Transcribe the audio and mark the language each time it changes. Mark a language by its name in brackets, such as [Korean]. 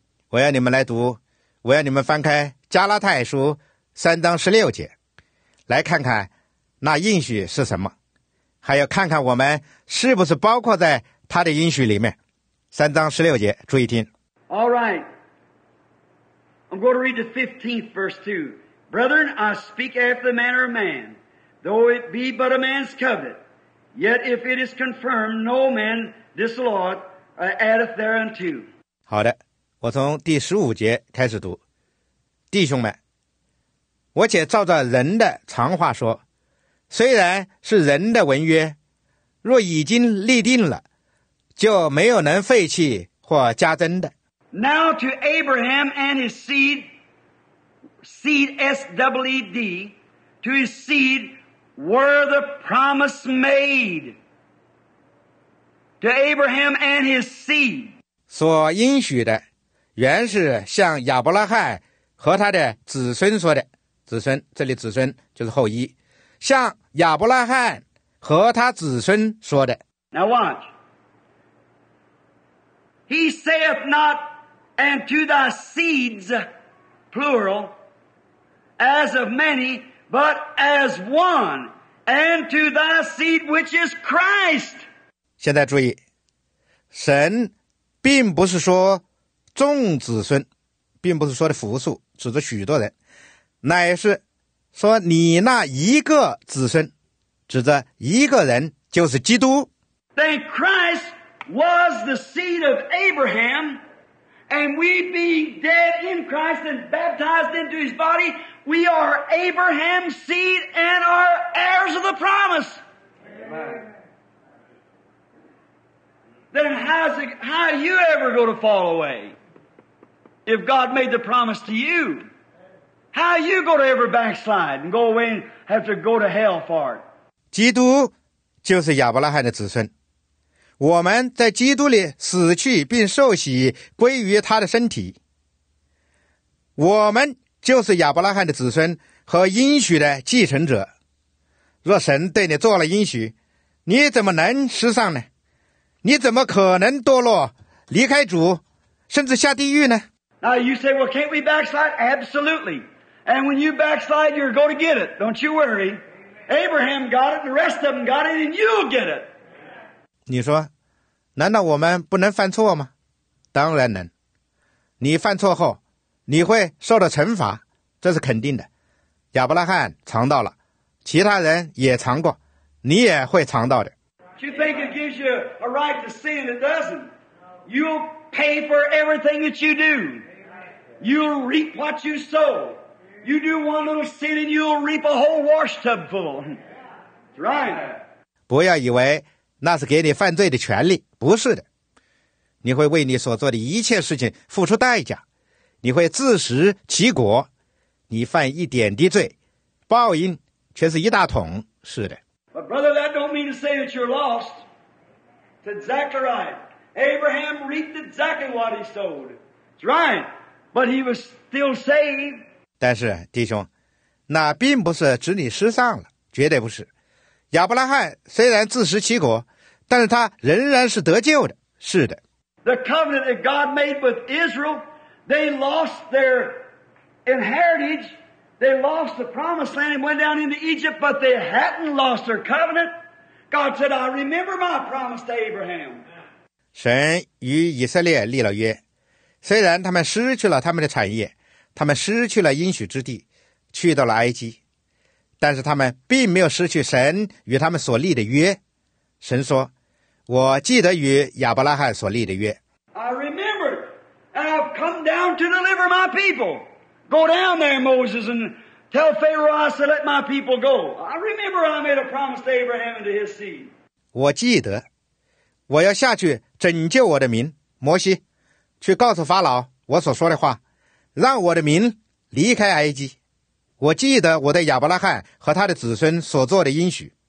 [Chinese] 我要你们来读，我要你们翻开加拉太书3:16，来看看那应许是什么，还要看看我们是不是包括在他的应许里面。3:16，注意听。 [English] All right. I'm going to read the 15th verse too. Brethren, I speak after the manner of man. Though it be but a man's covet, yet if it is confirmed, no man disallowed addeth thereunto. [Chinese] 好的，我从第十五节开始读。弟兄们，我且照着人的常话说，虽然是人的文约，若已经立定了，就没有能废弃或加增的。 [English] Now to Abraham and his seed, seed SWD, to his seed were the promise made. To Abraham and his seed. [Chinese] 所应许的原是向亚伯拉罕和他的子孙说的，子孙，这里子孙就是后裔，向亚伯拉罕和他子孙说的。 [English] Now watch. He saith not, and to thy seeds, plural, as of many, but as one, and to thy seed which is Christ. [Chinese] 现在注意，神并不是说众子孙，并不是说的复数，指着许多人，乃是说你那一个子孙，指着一个人，就是基督。 [English] Then Christ was the seed of Abraham, and we being dead in Christ and baptized into his body, we are Abraham's seed and are heirs of the promise. Amen. Then how are you ever going to fall away? If God made the promise to you, how are you going to ever backslide and go away and have to go to hell for it? [Chinese] 基督就是亚伯拉罕的子孙，我们在基督里死去并受洗归于他的身体，我们就是亚伯拉罕的子孙和应许的继承者。若神对你做了应许，你怎么能失丧呢？你怎么可能堕落离开主甚至下地狱呢？ [English] Now you say, well, can't we backslide? Absolutely. And when you backslide, you're going to get it. Don't you worry. Abraham got it, and the rest of them got it, and you'll get it. [Chinese] 你说难道我们不能犯错吗？当然能，你犯错后你会受到惩罚，这是肯定的。亚伯拉罕尝到了，其他人也尝过，你也会尝到的。 [English] Do you think it gives you a right to sin? It doesn't. You'll pay for everything that you do. You'll reap what you sow. You do one little sin and you'll reap a whole washtub full. That's right. [Chinese] 不要以为那是给你犯罪的权利，不是的，你会为你所做的一切事情付出代价，你会自食其果，你犯一点的罪，报应却是一大桶，是的。 [English] But brother, that don't mean to say that you're lost. It's exactly right. Abraham reaped exactly what he sowed. It's right. But he was still saved. [Chinese] 但是弟兄，那并不是指你失丧了，绝对不是。亚伯拉罕虽然自食其果，但是他仍然是得救的，是的。 [English] The covenant that God made with Israel, they lost their inheritance, they lost the promised land and went down into Egypt, but they hadn't lost their covenant. God said, I remember my promise to Abraham. [Chinese] 神与以色列立了约，虽然他们失去了他们的产业，他们失去了应许之地，去到了埃及，但是他们并没有失去神与他们所立的约。神说，我记得与亚伯拉罕所立的约。 [English] I remember, and I've come down to deliver my people. Go down there, Moses, and tell Pharaoh, I said, let my people go. I remember I made a promise to Abraham and to his seed. [Chinese] 我记得，我要下去拯救我的民，摩西，去告诉法老我所说的话，让我的民离开埃及。我记得我对亚伯拉罕和他的子孙所做的应许。